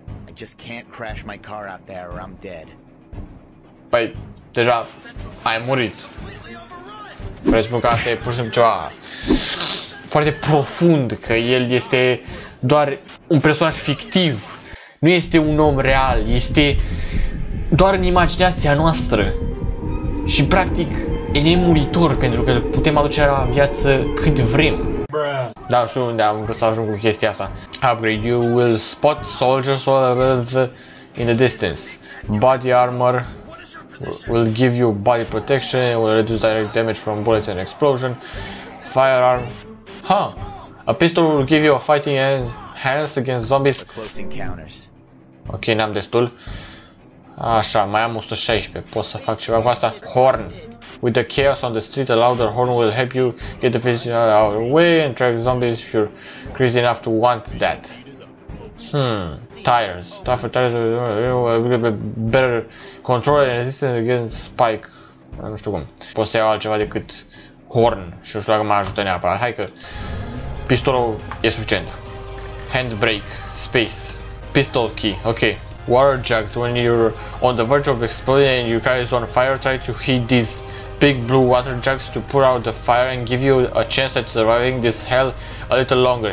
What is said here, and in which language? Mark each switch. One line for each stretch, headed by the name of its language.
English: I just can't crash my car out there or I'm dead.
Romanian: Păi, deja ai murit. Vreau să spun că asta e pur și simplu ceva foarte profund, că el este doar un personaj fictiv. Nu este un om real, este doar în imaginația noastră. Și practic e nemuritor pentru că putem aduce la viață cât vrem. Dar nu știu unde am vrut să ajung cu chestia asta.
English: Upgrade, you will spot soldiers all around in the distance. Body armor will give you body protection, will reduce direct damage from bullets and explosion. Firearm. Huh. A pistol will give you a fighting hands against zombies. Close encounters.
Romanian: Ok, n-am destul. Așa, mai am 116, pot să fac ceva cu asta?
English: Horn. With the chaos on the street, a louder horn will help you get the vision out of the way and track zombies if you're crazy enough to want that. Tires. Tougher tires will be better control and resistance against spike.
Romanian: Nu știu cum. Pot să iau altceva decât horn și nu știu dacă mă ajută neapărat. Hai că pistolul e suficient.
English: Handbrake. Space. Pistol key. Ok. Water jugs. When you're on the verge of exploding and your car is on fire, try to hit these big blue water jugs to put out the fire and give you a chance at surviving this hell a little longer.